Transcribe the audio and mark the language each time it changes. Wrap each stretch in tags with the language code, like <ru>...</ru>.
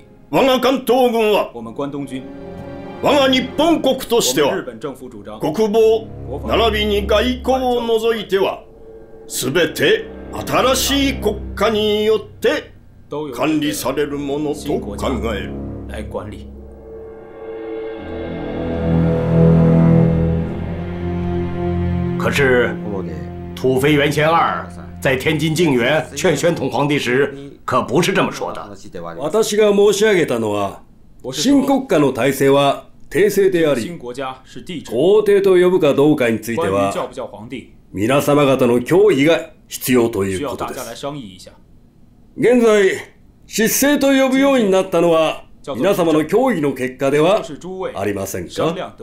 <ja>我が関東軍は我が日本国としては国防並びに外交を除いては全て新しい国家によって管理されるものと考える。</ja> <zh>可是土肥原贤二在天津靖元劝宣统皇帝时可不是这么说的。</zh> <ja>私が申し上げたのは、新国家の体制は帝制であり、皇帝と呼ぶかどうかについては皆様方の協議が必要ということです。現在執政と呼ぶようになったのは皆様の協議の結果ではありませんか？</ja>